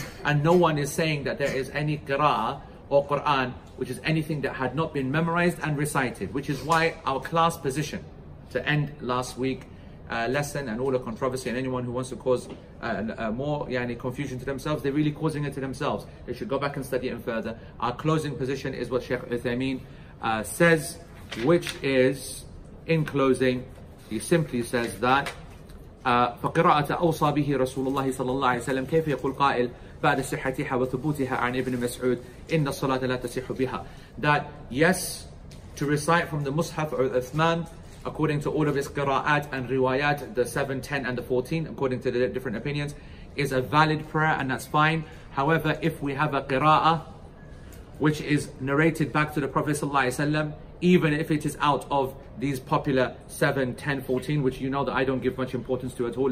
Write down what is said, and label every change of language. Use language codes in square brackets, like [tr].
[en] And no one is saying that there is any qira'ah or Quran which is anything that had not been memorized and recited, which is why our class position to end last week lesson and all the controversy, and anyone who wants to cause more yani, confusion to themselves, they're really causing it to themselves. They should go back and study it further. Our closing position is what Sheikh Uthaymeen says, which is, in closing, he simply says that [ar] فَقِرَاءَةَ أَوْصَى بِهِ رَسُولُ اللَّهِ صَلَى اللَّهِ عَلَيْهِ وَسَلَّمَ كَيْفَ يَقُلْ قَائِلْ بَعْدَ صِحَّتِهَا وَثُبُوتِهَا عَنْ إِبْنِ مَسْعُودِ إِنَّ الصَّلَاةَ لَا تَصِحُ بِهَا. [en] That yes, to recite from the Mus'haf of Uthman, according to all of his qira'at and riwayat, the 7, 10 and the 14, according to the different opinions, is a valid prayer and that's fine. However, if we have a qira'ah which is narrated back to the Prophet sallallahu alaihi wasallam, even if it is out of these popular 7, 10, 14, which you know that I don't give much importance to at all.